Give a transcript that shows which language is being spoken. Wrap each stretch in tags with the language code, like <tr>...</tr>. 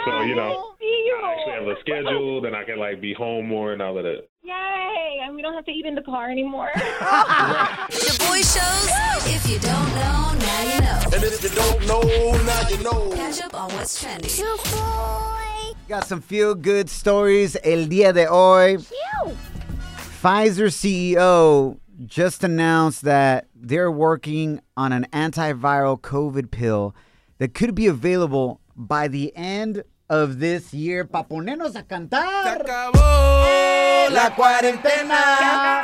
<en>so, you know, I actually have a schedule, then I can, like, be home more and all of that. Yay, and we don't have to eat in the car anymore. Your boy shows, if you don't know, now you know. And if you don't know, now you know. Catch up on what's trending. Your boy. Got some feel-good stories</en> <es>el día de hoy.</es> <en>Pfizer CEO just announced that they're working on an antiviral COVID pill that could be available by the end of this year.</en> <es>Pa ponernos a cantar. Se acabó la cuarentena.</es>